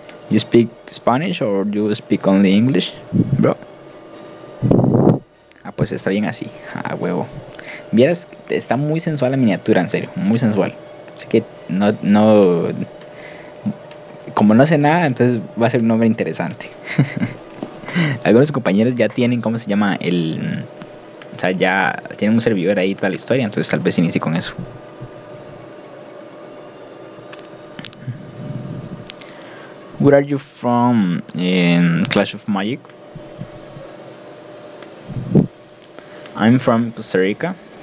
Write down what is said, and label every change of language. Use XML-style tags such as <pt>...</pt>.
<en>You speak Spanish or you speak only English, bro?</en> <es>Ah, pues está bien así. A huevo. Vieras, está muy sensual la miniatura, en serio. Muy sensual. Así que no, como no sé nada, entonces va a ser un nombre interesante. Algunos compañeros ya tienen, ¿cómo se llama? O sea, ya tienen un servidor ahí toda la historia, entonces tal vez inicie con eso.</es> <en>Where are you from in Clash of Magic? I'm from Costa Rica.</en>